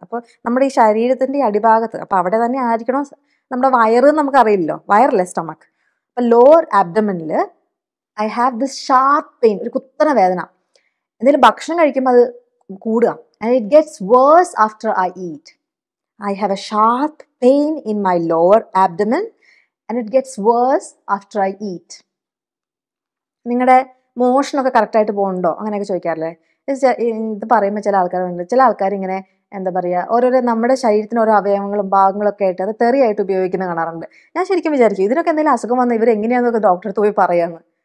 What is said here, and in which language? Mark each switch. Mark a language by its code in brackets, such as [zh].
[ml] അപ്പോൾ നമ്മുടെ ഈ ശരീരത്തിൻ്റെ അടിഭാഗത്ത്, അപ്പോൾ അവിടെ തന്നെ ആയിരിക്കണം നമ്മുടെ വയറ് എന്ന് നമുക്കറിയില്ലല്ലോ, വയറല്ലേ സ്റ്റൊമക്ക്. അപ്പോൾ [en] lower അബ്ഡമനിൽ I have this sharp pain, [ml] ഒരു കുത്തണ വേദന. എന്തെങ്കിലും ഭക്ഷണം കഴിക്കുമ്പോൾ അത് കൂടുക. [en] And it gets worse after I eat. I have a sharp pain in my lower abdomen and it gets worse after I eat. [ml] നിങ്ങളുടെ മോഷൻ ഒക്കെ കറക്റ്റ് ആയിട്ട് പോകുന്നുണ്ടോ അങ്ങനെയൊക്കെ ചോദിക്കാറില്ലേ. ഇത് പറയുമ്പോൾ ചില ആൾക്കാരുണ്ട്, ചില ആൾക്കാർ ഇങ്ങനെ എന്താ പറയുക, ഓരോരോ നമ്മുടെ ശരീരത്തിന് ഓരോ അവയവങ്ങളും ഭാഗങ്ങളൊക്കെ ആയിട്ട് അത് തെറിയായിട്ട് ഉപയോഗിക്കുന്ന കാണാറുണ്ട്. ഞാൻ ശരിക്കും വിചാരിച്ചു ഇതിനൊക്കെ എന്തെങ്കിലും അസുഖം വന്നാൽ ഇവർ എങ്ങനെയാണെന്നൊക്കെ ഡോക്ടറെടുത്ത് പോയി പറയാമെന്ന്.